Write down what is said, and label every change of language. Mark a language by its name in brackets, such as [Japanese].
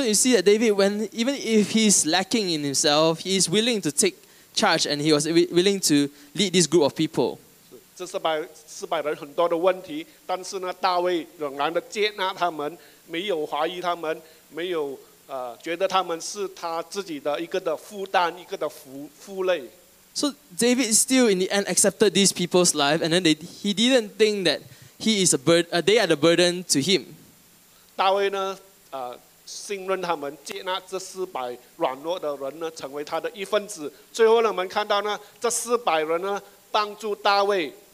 [English] you see that David, when even if he's lacking in himself, he is willing to take charge and he was willing to lead this group of people. [Chinese] 这400人很多的问题，但是呢，大卫仍然的接纳他们，没有怀疑他们，没有觉得他们是他自己的一个的负担，一个的负累。 [English] So David still in the end accepted these people's life, and then he didn't think that he is a burden. They are the burden to him. [Chinese] 大卫呢，信任他们，接纳这400软弱的人呢，成为他的一份子。最后呢，我们看到呢，这400人呢，帮助大卫。